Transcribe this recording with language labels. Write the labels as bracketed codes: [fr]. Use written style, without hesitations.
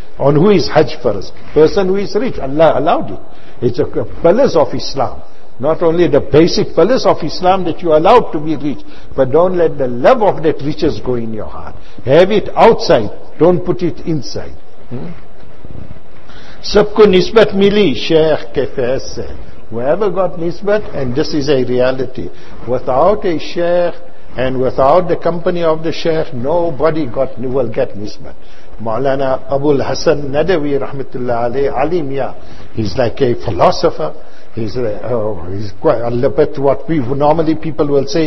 [en] On who is hajj for us? Person who is rich. Allah allowed it. It's a pillars of Islam. Not only the basic pillars of Islam that you are allowed to be rich, but don't let the love of that riches go in your heart. Have it outside. Don't put it inside. [ur] سب کو نسبت ملی شیخ کے فیض سے. [en] Whoever got nisbat, and this is a reality, without a sheikh and without the company of the sheikh, nobody got will get nisbat. Maulana Abul Hasan Nadawi rahmatullah alayhi, Ali Mia, he's like a philosopher. He's quite a bit what we normally people will say.